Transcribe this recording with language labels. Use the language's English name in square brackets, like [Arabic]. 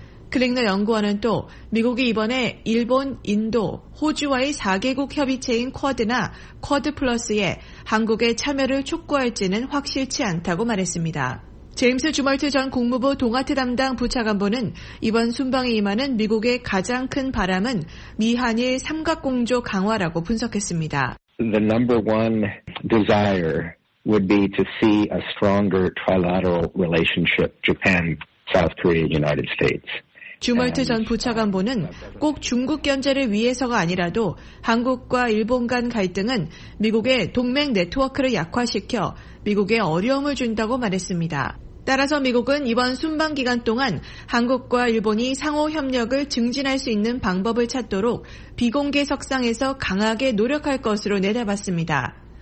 [Korean] 클링너 연구원은 또 미국이 이번에 일본, 인도, 호주와의 4개국 협의체인 쿼드나 쿼드 플러스에 한국의 참여를 촉구할지는 확실치 않다고 말했습니다. 제임스 주멀트 전 국무부 동아트 담당 부차관보는 이번 순방에 임하는 미국의 가장 큰 바람은 미한일 삼각공조 강화라고 분석했습니다. [English] The number one desire would be to see a stronger trilateral relationship Japan, South Korea, United States. [Korean] 주멀트 전 부차관보는 꼭 중국 견제를 위해서가 아니라도 한국과 일본 간 갈등은 미국의 동맹 네트워크를 약화시켜 미국에 어려움을 준다고 말했습니다. 따라서 미국은 이번 순방 기간 동안 한국과 일본이 상호 협력을 증진할 수 있는 방법을 찾도록 비공개 석상에서 강하게 노력할 것으로 내다봤습니다.